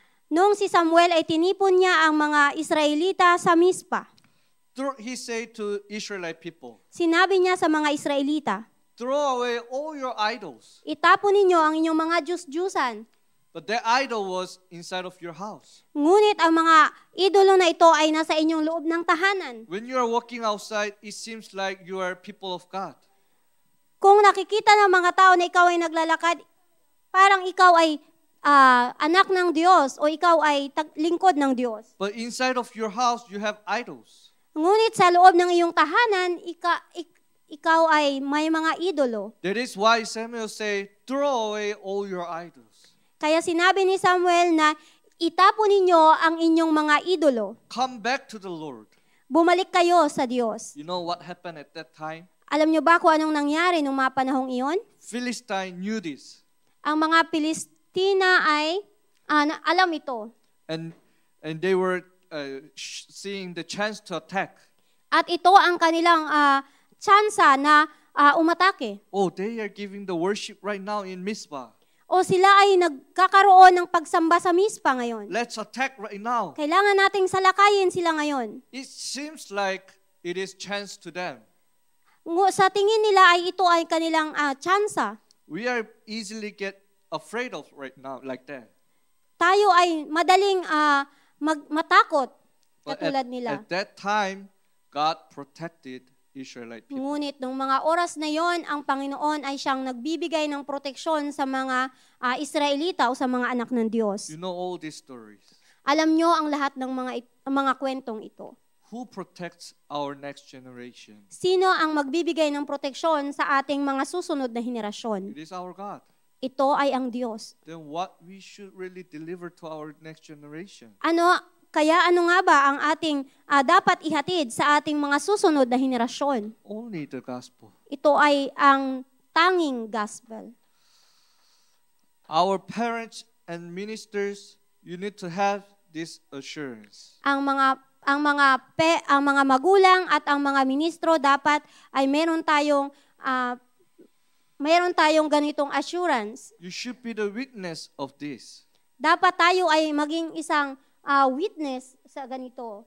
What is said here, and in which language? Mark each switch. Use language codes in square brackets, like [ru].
[tl] Noong si Samuel ay tinipon niya ang mga Israelita sa Mizpah. [en] He said to Israelite people. [tl] Sinabi niya sa mga Israelita. [en] Throw away all your idols. [tl] Itapon ninyo ang inyong mga diyos-diyosan. [en] But the idol was inside of your house. [tl] Ngunit ang mga idolo na ito ay nasa inyong loob ng tahanan. [en] When you are walking outside, it seems like you are people of God. [tl] Kung nakikita ng mga tao na ikaw ay naglalakad, parang ikaw ay anak ng Diyos o ikaw ay lingkod ng Diyos. [en] But inside of your house, you have idols. [tl] Ngunit sa loob ng iyong tahanan, ikaw ay may mga idolo. [en] That is why Samuel said, throw away all your idols. [tl] Kaya sinabi ni Samuel na itapon ninyo ang inyong mga idolo. [en] Come back to the Lord. [tl] Bumalik kayo sa Diyos. [en] You know what happened at that time? [tl] Alam niyo ba kung anong nangyari noong mga panahong iyon? [en] Philistine knew this. [tl] Ang mga Pilistina ay alam ito. [en] And they were seeing the chance to attack. [tl] At ito ang kanilang tsansa na umatake. [en] Oh, they are giving the worship right now in Mizpah. [tl] O sila ay nagkakaroon ng pagsamba sa Mizpah ngayon. [en] Let's attack right now. [tl] Kailangan nating salakayin sila ngayon. [en] It seems like it is chance to them. [tl] Sa tingin nila ay ito ay kanilang tsansa. [en] We are easily get afraid of right now like that. [tl] Tayo ay madaling matakot katulad nila. [en] At that time, God protected Israelite people. [tl] Ngunit nung mga oras na yon, ang Panginoon ay siyang nagbibigay ng proteksyon sa mga Israelita o sa mga anak ng Diyos. [en] You know all these stories. [tl] Alam nyo ang lahat ng mga kwentong ito. [en] Who protects our next generation? [tl] Sino ang magbibigay ng proteksyon sa ating mga susunod na henerasyon? [en] It is our God. [tl] Ito ay ang Diyos. [en] Then what we should really deliver to our next generation? [tl] Kaya ano nga ba ang ating dapat ihatid sa ating mga susunod na henerasyon? [en] Only the gospel. [tl] Ito ay ang tanging gospel. [en] Our parents and ministers, you need to have this assurance. [tl] Ang mga magulang at ang mga ministro dapat ay meron tayong ganitong assurance. [en] You should be the witness of this. [tl] Dapat tayo ay maging isang witness sa ganito.